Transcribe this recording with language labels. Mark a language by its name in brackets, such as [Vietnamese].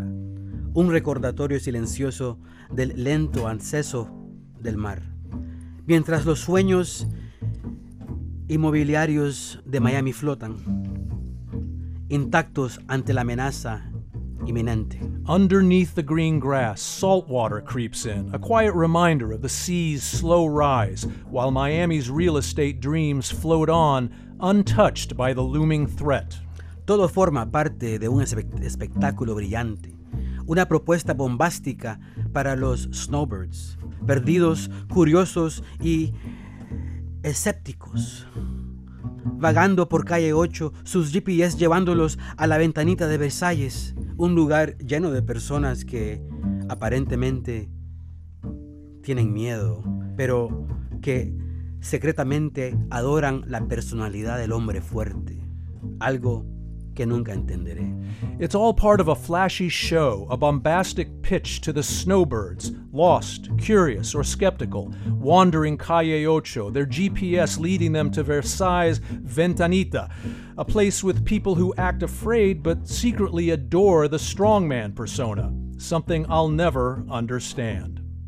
[Spanish] Un recordatorio silencioso del lento acceso del mar. mientras los sueños inmobiliarios de Miami flotan, intactos ante la amenaza inminente. [English] Underneath the green grass, salt water creeps in, a quiet reminder of the sea's slow rise, while Miami's real estate dreams float on, untouched by the looming threat. [Spanish] Todo forma parte de un espectáculo brillante, una propuesta bombástica para los snowbirds, perdidos, curiosos y escépticos. Vagando por calle 8, sus GPS llevándolos a la ventanita de Versalles, un lugar lleno de personas que aparentemente tienen miedo, pero que secretamente adoran la personalidad del hombre fuerte. Algo que nunca entenderé. [English] It's all part of a flashy show, a bombastic pitch to the snowbirds, lost, curious, or skeptical, wandering Calle Ocho, their GPS leading them to Versailles' Ventanita, a place with people who act afraid but secretly adore the strongman persona, something I'll never understand.